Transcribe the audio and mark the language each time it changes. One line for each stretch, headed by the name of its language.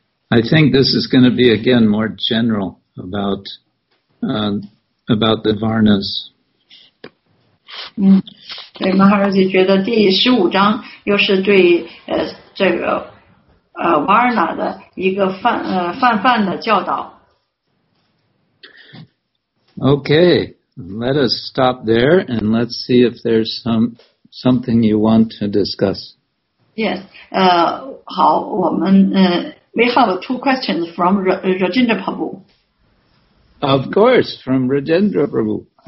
English: I think this is going to be again more general about. About the Varnas.
Chinese: 对，马哈尔吉觉得第十五章又是对这个瓦尔纳的一个泛的教导。
English: Okay, let us stop there and let's see if there's something you want to discuss. Yes,
Chinese: 好，我们
English: we have two questions from Rajendra Prabhu. Of course, from Rajendra Prabhu.